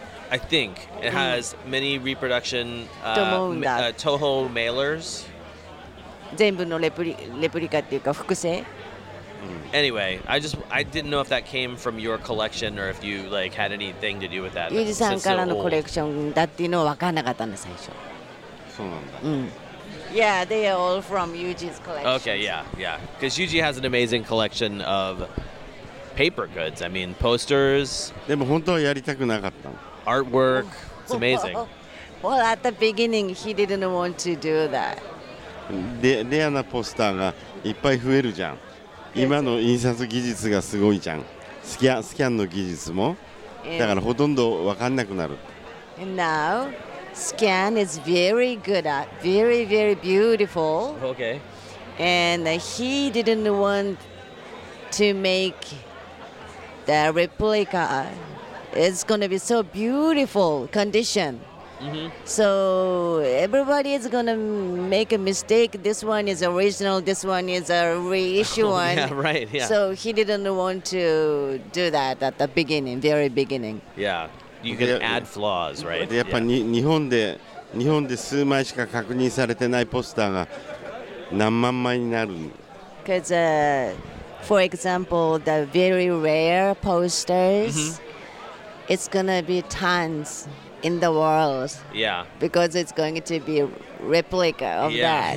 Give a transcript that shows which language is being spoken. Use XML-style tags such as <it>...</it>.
<en>I think it has many reproduction Toho mailers.</en> <ja>全部のレプリカっていうか複製。</ja> <en>Anyway, I didn't know if that came from your collection or if you like had anything to do with that.</en> <ja>ゆじさんからのコレクションだっていうのは分からなかったんだ最初。そうなんだ。</ja> <en>Yeah, they are all from Yuji's collection. Okay, yeah. Because Yuji has an amazing collection of paper goods. I mean, posters.</en> <ja>でも本当はやりたくなかった。</ja> <en>Artwork. It's amazing. Well, at the beginning, he didn't want to do that.</en> <ja>レアなポスターがいっぱい増えるじゃん。今の印刷技術がすごいじゃん。スキャンの技術も。だからほとんど分かんなくなる。</ja> <en>And now, scan is very good at, very, very beautiful. Okay. And he didn't want to make... The replica is going to be so beautiful condition. So everybody is going to make a mistake. This one is original. This one is a reissue one. Yeah, right. Yeah. So he didn't want to do that at the beginning, very beginning. Yeah. You can add flaws, right?</en> <ja>やっぱ日本で数枚しか確認されてないポスターが何万枚になる。</ja> <en>Because For example, the very rare posters, it's going to be tons in the world. Yeah. Because it's going to be a replica of that.</en>